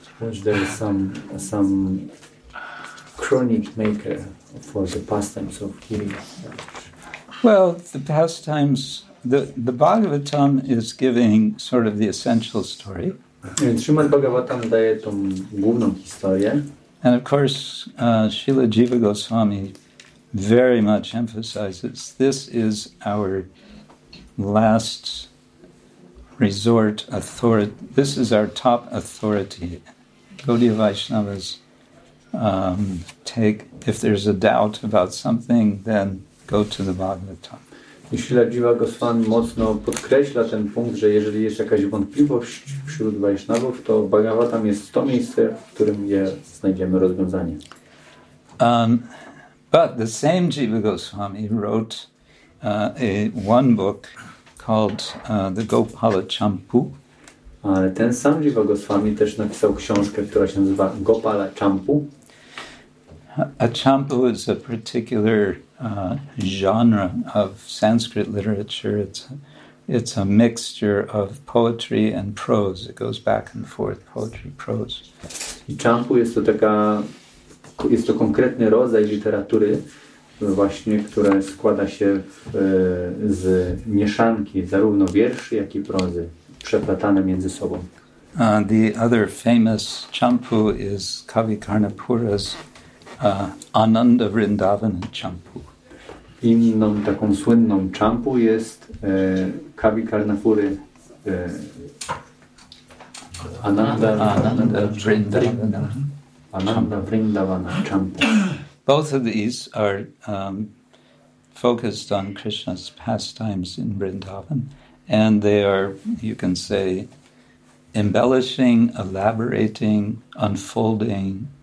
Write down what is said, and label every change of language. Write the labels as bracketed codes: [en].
[en] There is some chronic maker for the pastimes of Hill. Well, the pastimes, the Bhagavatam is giving sort of the essential story. [pl] Śrīmad Bhagavatam daje tą główną historię. [en] And of course, Śrīla Jīva Goswami very much emphasizes this is our last resort authority. This is our top authority. Gaudiya Vaishnavas take, if there's a doubt about something, then go to the Bhagavatam. [pl] Śrīla Jīva Goswami mocno podkreśla ten punkt, że jeżeli jest jakaś wątpliwość wśród Vaishnavów, to Bhagavatam jest to miejsce, w którym je znajdziemy rozwiązanie. [en] But the same Jīva Goswami wrote one book called the Gopala Champu. [pl] Ale ten sam Jiva Goswami też napisał książkę, która się nazywa Gopala Champu. [en] A champu is a particular genre of Sanskrit literature. It's a mixture of poetry and prose. It goes back and forth, poetry, prose. [pl] I champu jest to taka, jest to konkretny rodzaj literatury, właśnie, która składa się z mieszanki zarówno wierszy, jak i prozy, przeplatane między sobą. [en] The other famous champu is Kavi Karnapura's Ananda Vrindavan Champu. [pl] Inną taką słynną champu jest Kavi Karnapury Ananda Vrindavan Champu. [en] Both of these are focused on Krishna's pastimes in Vrindavan, and they are, you can say, embellishing, elaborating, unfolding.